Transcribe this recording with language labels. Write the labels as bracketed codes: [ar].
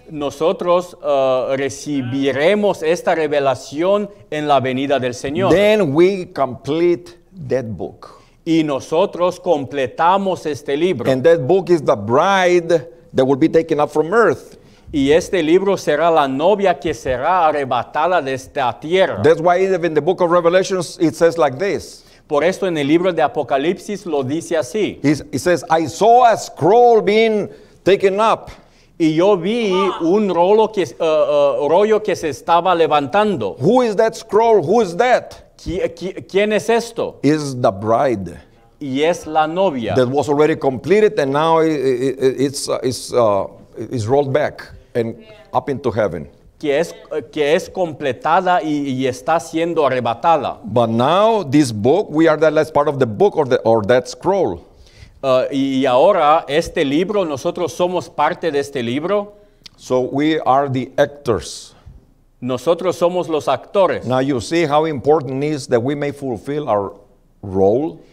[es] Nosotros recibiremos esta revelación en la venida del Señor. [en] Then we complete that book. [es] Y nosotros completamos este libro. [en] And that book is the bride that will be taken up from earth. [es] Y este libro será la novia que será arrebatada de esta tierra. [en] That's why even in the book of Revelations it says like this. [es] Por esto en el libro de Apocalipsis lo dice así. [en] It says, I saw a scroll being taken up. [es] Y yo vi un rollo que se estaba levantando. [en] Who is that scroll? Who is that? [es] ¿Quién es esto? [en] Is the bride. [es] Y es la novia. [en] That was already completed and now it's rolled back and up into heaven. [es] Que es completada y está siendo arrebatada. [en] But now this book, we are the last part of the book or that scroll. [es] Y ahora este libro, nosotros somos parte de este libro. [en] So we are the actors. [es] Nosotros somos los actores. [en] Now you see how important it is that we may fulfill our role.